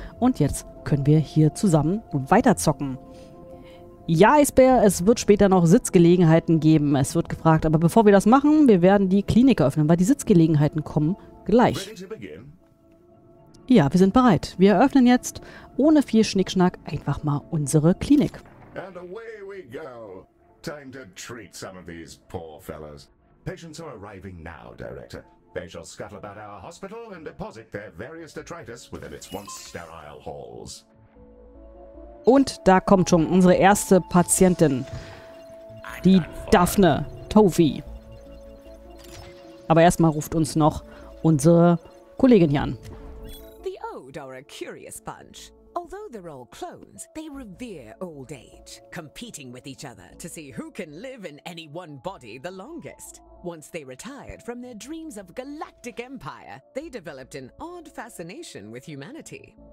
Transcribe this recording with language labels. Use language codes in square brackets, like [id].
[de] Und jetzt können wir hier zusammen weiterzocken. Ja, Eisbär, es wird später noch Sitzgelegenheiten geben. Es wird gefragt, aber bevor wir das machen, wir werden die Klinik eröffnen, weil die Sitzgelegenheiten kommen gleich. Ja, wir sind bereit. Wir eröffnen jetzt ohne viel Schnickschnack einfach mal unsere Klinik. [en] And away we go. Time to treat some of these poor fellows. Patients are arriving now, Director. They shall scuttle about our hospital and deposit their various detritus within its once sterile halls. [de] Und da kommt schon unsere erste Patientin, die Daphne Tovey. Aber erstmal ruft uns noch unsere Kollegin hier an. [en] The Ode are a curious bunch. Although they're all clones, they revere old age, competing with each other to see who can live in any one body the longest. Once they retired from their dreams of galactic empire, they developed an odd fascination with humanity.